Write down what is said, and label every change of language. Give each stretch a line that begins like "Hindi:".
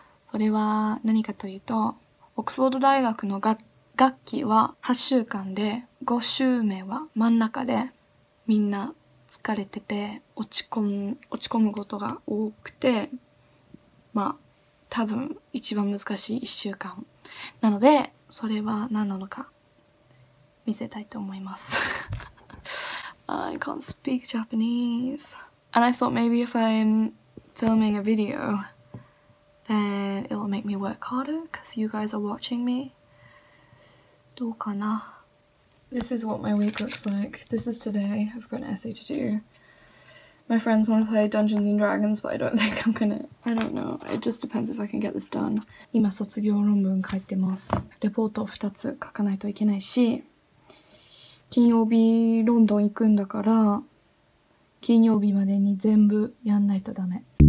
Japanese: それは何かというと、オックスフォード大学の学期は8週間で、5週目は真ん中で、みんな疲れてて落ち込むことが多くて、まあ多分一番難しい1週間なので、それは何なのか見せたいと思います。
English: I can't speak Japanese. And I thought maybe if I'm filming a video, then it'll make me work harder because you guys are watching me.
Japanese: どうかな?
English: This is what my week looks like. This is today. I've got an essay to do. My friends want to play Dungeons and Dragons, but I don't think I'm gonna... I don't know. It just depends if I can get this done.
Japanese: 今卒業論文書いてます。レポートを2つ書かないといけないし、金曜日ロンドン行くんだから、金曜日までに全部やんないとダメ。